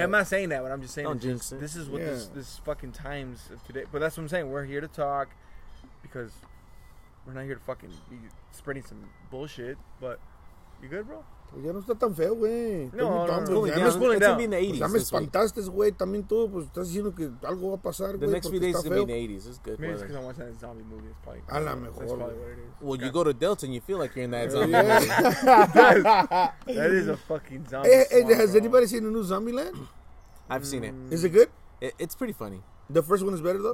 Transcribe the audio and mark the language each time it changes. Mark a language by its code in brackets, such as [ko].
[en] I'm not saying that, but I'm just saying. Don't jinx it. This is what this fucking times of today. But that's what I'm saying. We're here to talk, because we're not here to fucking be spreading some bullshit, but. You good, bro? [es] Ya no está tan feo, güey. [en] No, it's going to be in the 80s. [es] Dame espantastes, güey. También tú, pues, estás diciendo que algo va a pasar, güey. [en] The next few days is going to be in the 80s. It's good. Maybe it's because I'm watching that zombie movie. It's probably [es] a la mejor. [en] That's probably what it is. Well, you go to Delta and you feel like you're in that zombie movie. That is a fucking zombie. Has anybody seen the new Zombieland? I've seen it. Is it good? It's pretty funny. The first one is better, though?